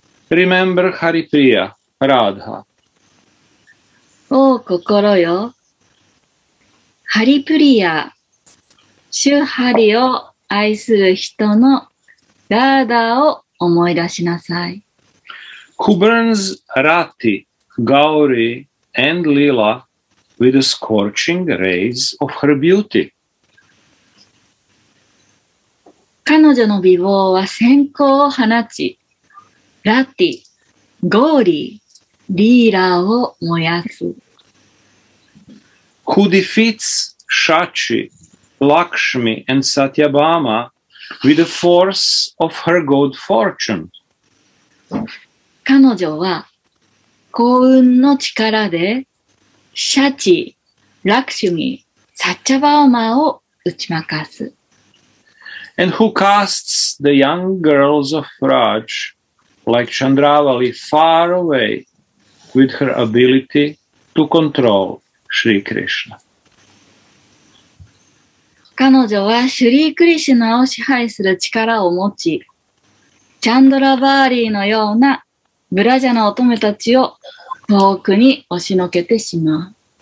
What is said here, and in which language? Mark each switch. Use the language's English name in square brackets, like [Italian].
[English] Remember Hari Priya, Radha. [Japanese] お心よ、ハリプリア、シュハリを愛する人のラーダを思い出しなさい。 [English] Who burns Rati, Gauri and Lila with the scorching rays of her beauty? [Japanese] 彼女の美貌は閃光を放ち、ラティ、ゴーリー、リーラを燃やす。 [English] Who defeats Shachi? Lakshmi and Satyabhama with the force of her good fortune. [Japanese] 彼女は幸運の力でシャチ、ラクシュミ、サッチャバーマを打ち負かす。 [English] And who casts the young girls of Raj, like Chandravali, far away with her ability to control Shri Krishna. [Japanese] 彼女はシュリー・クリシュナを支配する力を持ち、チャンドラ・バーリーのようなブラジャの乙女たちを遠くに押しのけてしまう。